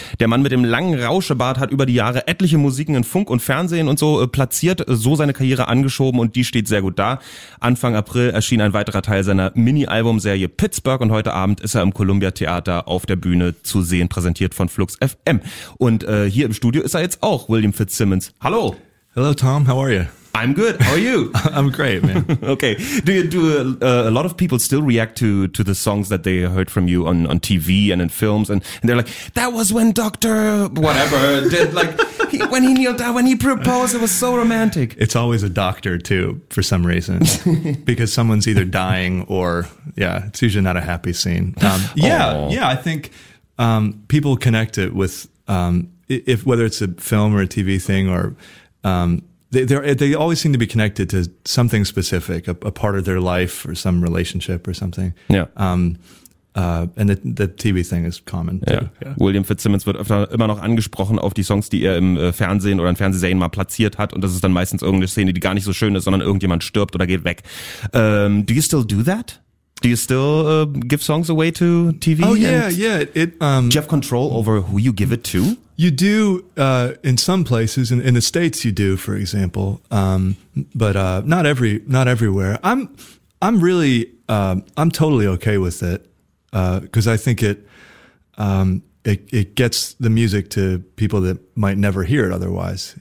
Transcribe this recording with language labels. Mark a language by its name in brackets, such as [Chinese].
[German] Der Mann mit dem langen Rauschebart hat über die Jahre etliche Musiken in Funk und Fernsehen und so platziert, so seine Karriere angeschoben und die steht sehr gut da. Anfang April erschien ein weiterer Teil seiner Mini-Album-Serie Pittsburgh und heute Abend ist er im Columbia Theater auf der Bühne zu sehen, präsentiert von Flux FM. Und hier im Studio ist er jetzt auch, William Fitzsimmons. Hallo! [English] Hello, Tom. How are you? I'm good. How are you? I'm great, man. Okay. A lot of people still react to the songs that they heard from you on TV and in films, and they're like, that was when Dr. Whatever did, like, when he kneeled down, when he proposed, it was so romantic. It's always a doctor, too, for some reason, because someone's either dying or, yeah, it's usually not a happy scene. Yeah, I think people connect it with, if whether it's a film or a TV thing or... They always seem to be connected to something specific, a part of their life or some relationship or something. Yeah. And the TV thing is common too. [German] Ja. William Fitzsimmons wird öfter immer noch angesprochen auf die Songs, die er im Fernsehen oder in Fernsehserien mal platziert hat. Und das ist dann meistens irgendeine Szene, die gar nicht so schön ist, sondern irgendjemand stirbt oder geht weg. [English] Do you still do that? Do you still give songs away to TV? Oh, yeah, and yeah. Do you have control over who you give it to? You do in some places. In the States, you do, for example. Not everywhere. I'm totally okay with it because I think it gets the music to people that might never hear it otherwise.